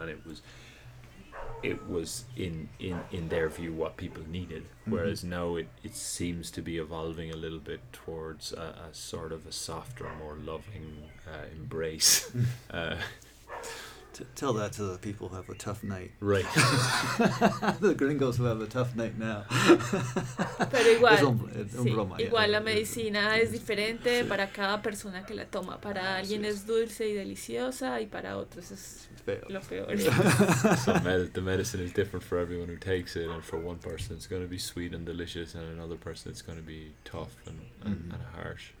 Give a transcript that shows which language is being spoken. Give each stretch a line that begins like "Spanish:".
English: And it was in their view what people needed, whereas now it seems to be evolving a little bit towards a sort of a softer, more loving embrace. Tell that to the people who have a tough night. Right. The gringos who have a tough night now.
Spanish: Pero igual, la medicina es diferente para cada persona que la toma. Para alguien es dulce y deliciosa, y para otros es lo peor.
English: The medicine is different for everyone who takes it, and for one person it's going to be sweet and delicious, and another person it's going to be tough and harsh.